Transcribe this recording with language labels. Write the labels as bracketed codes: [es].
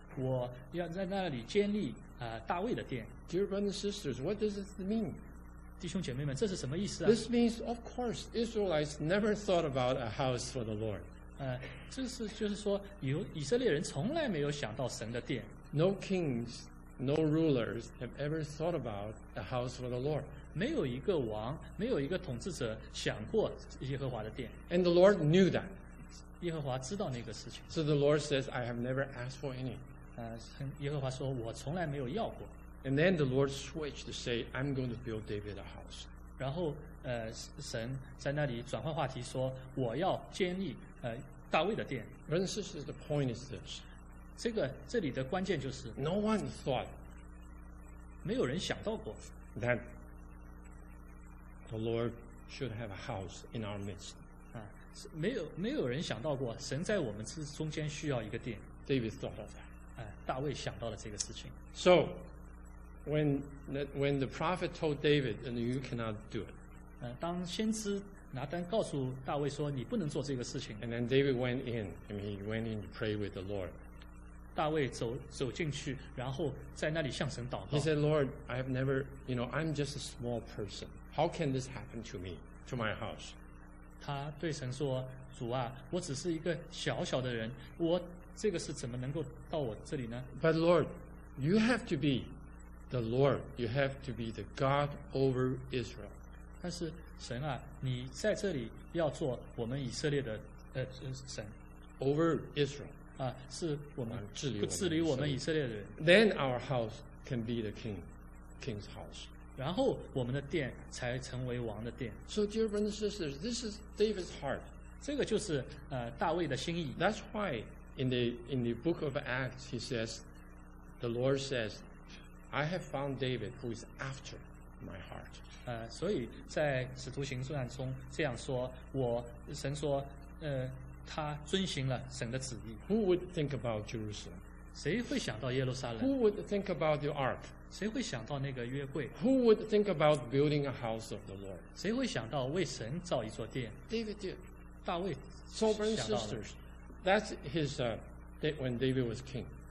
[zh] 我要在那里建立大卫的殿。 [en] Dear brothers and sisters, what does this mean? [zh] 弟兄姐妹们，这是什么意思啊 [en] ？This means, of course, Israelites never thought about a house for the Lord. [zh] 这是就是说，以色列人从来没有想到神的殿。 [en] No kings, no rulers have ever thought about a house for the Lord. [zh] 没有一个王，没有一个统治者想过耶和华的殿。 [en] And the Lord knew that. [zh] 耶和华知道那个事情。 [en] So the Lord says, "I have never asked for any." [zh] 耶和华说，我从来没有要过。 [en] And then the Lord switched to say, "I'm going to build David a house." [zh] 然后神在那里转换话题说，我要建立大卫的殿。 [en] Brothers and sisters, the point is this. [zh] 这里的关键就是 [en] ，No one thought. [zh] 没有人想到过 [en] that the Lord should have a house in our midst. [zh] 没有人想到过，神在我们中间需要一个殿。 [en] David thought of that. [zh] 大卫想到了这个事情。 [en] So. When the prophet told David, "And you cannot do it." [zh] 当先知拿单告诉大卫说你不能做这个事情。 [en] And then David went in. I mean, he went in to pray with the Lord. [zh] 大卫走进去，然后在那里向神祷告。 [en] He said, "Lord, I have never, you know, I'm just a small person. How can this happen to me, to my house?" [zh] 他对神说，主啊，我只是一个小小的人，我这个事怎么能够到我这里呢 [en] ？But Lord, you have to be. The Lord, you have to be the God over Israel. [zh] 但是神啊，你在这里要做我们以色列的神。 [en] Over Israel. [zh] 是我们治理我们以色列的人。 [en] Then our house can be the king's house. [zh] 然后我们的殿才成为王的殿。 [en] So dear brothers and sisters, this is David's heart. [zh] 这个就是大卫的心意。 [en] That's why in the book of Acts, he says, the Lord says,I have found David, who is after my heart. [zh] 所以在使徒行传中这样说，我神说，他遵行了神的旨意。 [en] Who would think about Jerusalem? [zh] 谁会想到耶路撒冷 [en] ？Who would think about the ark? [zh] 谁会想到那个约柜 [en] ？Who would think about building a house of the Lord? [zh] 谁会想到为神造一座殿 [en] ？David did. [zh] 大卫 [en] ，So brothers and sisters, that's his when David was king.